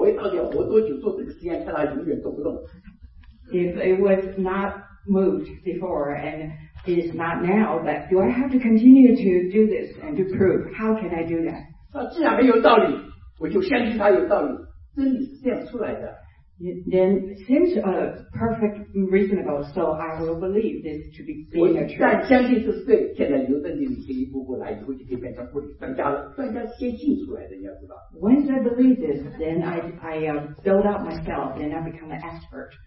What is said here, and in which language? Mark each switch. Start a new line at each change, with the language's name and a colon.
Chinese: 从前也不会动，以后也不会动，永远不动。我到底要活多久做这个实验，看它永远动不动。
English: If it was not moved before and it is not now, but do I have to continue to do this and to prove? How can I do that?
Chinese: 那既然很有道理，我就相信它有道理，真理是这样出来的。
English: Then seems perfect reasonable, so I will believe this to be being a truth.
Chinese: 但相信是对，现在牛顿定律进一步来以后就可以变成物理专家了。专家先信出来的，你要知道。Once
English: I believe this, then I build up myself, then I become an expert.